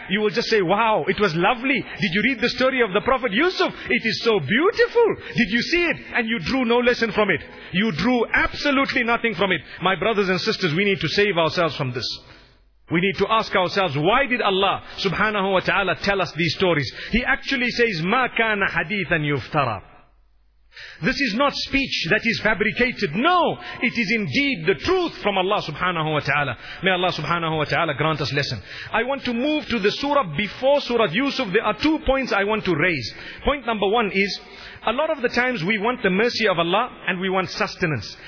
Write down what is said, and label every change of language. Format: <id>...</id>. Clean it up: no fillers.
<en>You will just say, wow, it was lovely. Did you read the story of the Prophet Yusuf? It is so beautiful. Did you see it? And you drew no lesson from it. You drew absolutely nothing from it. My brothers and sisters, we need to save ourselves from this. We need to ask ourselves, why did Allah subhanahu wa ta'ala tell us these stories? He actually says,</en> <ar>مَا كَانَ حَدِيثًا يُفْتَرَى.</ar> <en>This is not speech that is fabricated. No, it is indeed the truth from Allah subhanahu wa ta'ala. May Allah subhanahu wa ta'ala grant us lesson. I want to move to the surah before Surah Yusuf. There are two points I want to raise. Point number one is, a lot of the times we want the mercy of Allah and we want sustenance.</en>